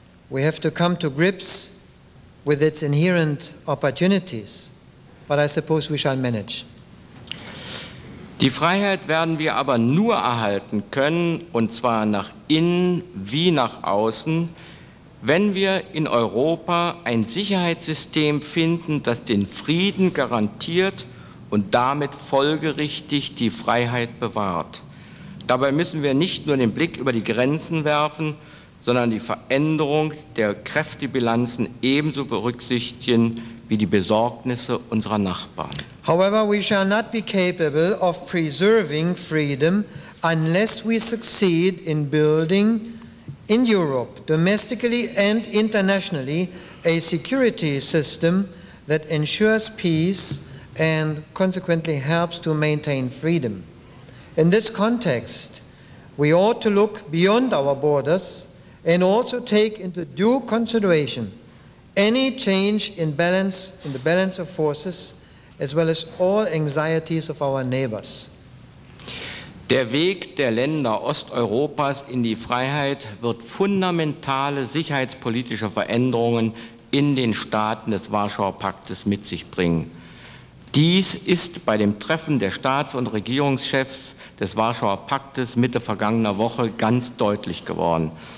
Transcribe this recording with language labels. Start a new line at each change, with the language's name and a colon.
English: We have to come to grips with its inherent opportunities, but I suppose we shall manage.
German: Die Freiheit werden wir aber nur erhalten können, und zwar nach innen wie nach außen, wenn wir in Europa ein Sicherheitssystem finden, das den Frieden garantiert und damit folgerichtig die Freiheit bewahrt. Dabei müssen wir nicht nur den Blick über die Grenzen werfen, sondern die Veränderung der Kräftebilanzen ebenso berücksichtigen wie die Besorgnisse unserer Nachbarn.
English: However, we shall not be capable of preserving freedom unless we succeed in building in Europe, domestically and internationally, a security system that ensures peace and consequently helps to maintain freedom. In this context, we ought to look beyond our borders and also take into due consideration any change in balance, in the balance of forces, as well as all anxieties of our neighbors.
German: Der Weg der Länder Osteuropas in die Freiheit wird fundamentale sicherheitspolitische Veränderungen in den Staaten des Warschauer Paktes mit sich bringen. Dies ist bei dem Treffen der Staats- und Regierungschefs des Warschauer Paktes Mitte vergangener Woche ganz deutlich geworden.